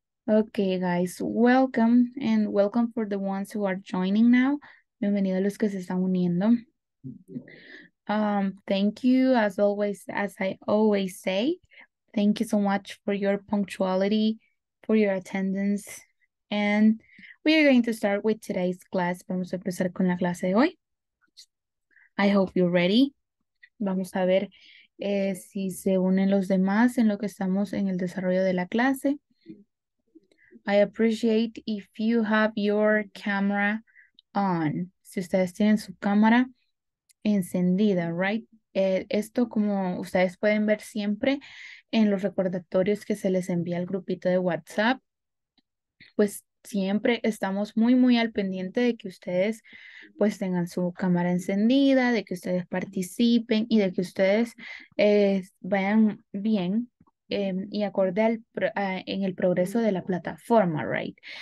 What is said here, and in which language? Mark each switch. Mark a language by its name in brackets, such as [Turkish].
[English] Okay, guys, welcome and welcome for the ones who are joining now. [Spanish] Bienvenidos a los que se están uniendo. [English] Thank you, as always, as I always say, thank you so much for your punctuality, for your attendance, and we are going to start with today's class. [Spanish] Vamos a empezar con la clase de hoy. [English] I hope you're ready. [Spanish] Vamos a ver si se unen los demás en lo que estamos en el desarrollo de la clase. [English] I appreciate if you have your camera on. [Spanish] Si ustedes tienen su cámara encendida, right? Esto, como ustedes pueden ver siempre en los recordatorios que se les envía al grupito de WhatsApp, pues siempre estamos muy, muy al pendiente de que ustedes pues tengan su cámara encendida, de que ustedes participen y de que ustedes vayan bien y acorde en el progreso de la plataforma, right?